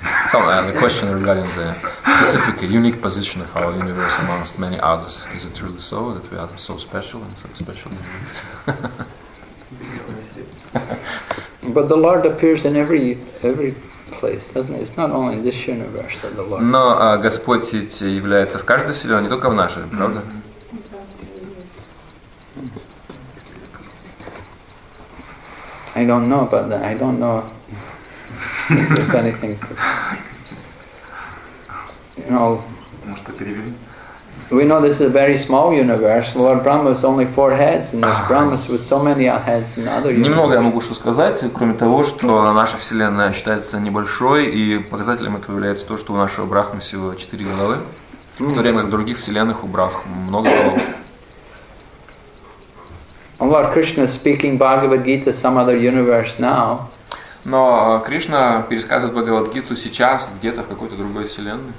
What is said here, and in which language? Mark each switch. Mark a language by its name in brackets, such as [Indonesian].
[English] So the question regarding the specific, unique position of our universe amongst many others, is it really so that we are so special and such special universe? But the Lord appears in every place, doesn't it? It's not only in this universe that the Lord. [Russian] Но Господь ведь является в каждой вселенной, не только в нашей, правда? [English] I don't know about that. I don't know if there's anything. You know, [Russian] потому что перевели. [English] We know this is a very small universe. Lord Brahma is only four heads, and there's Brahmas with so many heads in other universes. [Russian] Немного я могу что сказать, кроме того, что наша вселенная считается небольшой, и показателем этого является то, что у нашего Брахмы всего четыре головы, в то время как в других вселенных у Брахм много голов. [English] Lord Krishna is speaking Bhagavad Gita to some other universe now. [Russian] Но Кришна пересказывает Бхагавад-гиту сейчас где-то в какой-то другой вселенной.